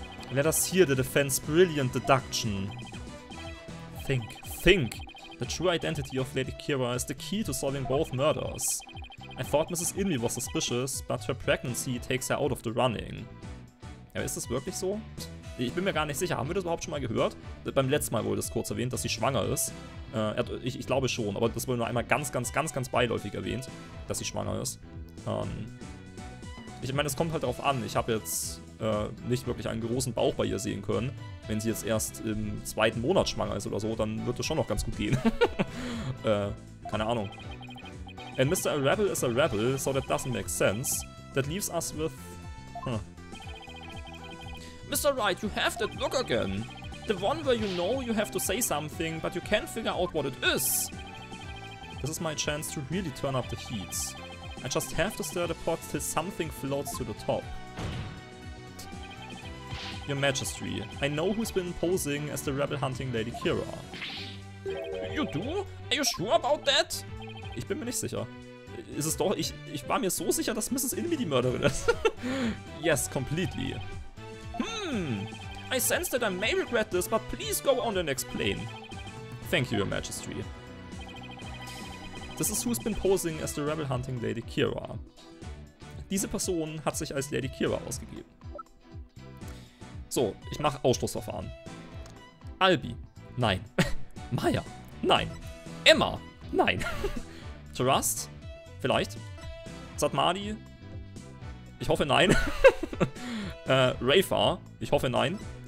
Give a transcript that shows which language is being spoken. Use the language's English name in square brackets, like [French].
[English] Let us hear the defense brilliant deduction. Think. The true identity of Lady Kira is the key to solving both murders. I thought Mrs. Inmi was suspicious, but her pregnancy takes her out of the running. [German] Ja, ist das wirklich so? Ich bin mir gar nicht sicher. Haben wir das überhaupt schon mal gehört? Beim letzten Mal wurde das kurz erwähnt, dass sie schwanger ist. Ich glaube schon, aber das wurde nur einmal ganz beiläufig erwähnt, dass sie schwanger ist. Ich meine, es kommt halt darauf an. Ich habe jetzt nicht wirklich einen großen Bauch bei ihr sehen können. Wenn sie jetzt erst im zweiten Monat schwanger ist oder so, dann wird das schon noch ganz gut gehen. keine Ahnung. [English] And Mr. A Rebel is a Rebel, so that doesn't make sense. That leaves us with... Mr. Wright, you have that look again. The one where you know you have to say something, but you can't figure out what it is. This is my chance to really turn up the heat. I just have to stir the pot till something floats to the top. Your Majesty, I know who's been posing as the rebel hunting Lady Kira. You do? Are you sure about that? [German] Ich bin mir nicht sicher. Ist es doch? Ich war mir so sicher, dass Mrs. Inmi die Mörderin ist. [English] Yes, completely. I sense that I may regret this, but please go on and explain. Thank you, Your Majesty. This is who's been posing as the rebel hunting Lady Kira. [German] Diese Person hat sich als Lady Kira ausgegeben. So, ich mache Ausschlussverfahren. Albi. Nein. Maya. Nein. Emma. Nein. Trust? Vielleicht. Zatmadi? Ich hoffe nein. Rafa? Ich hoffe nein.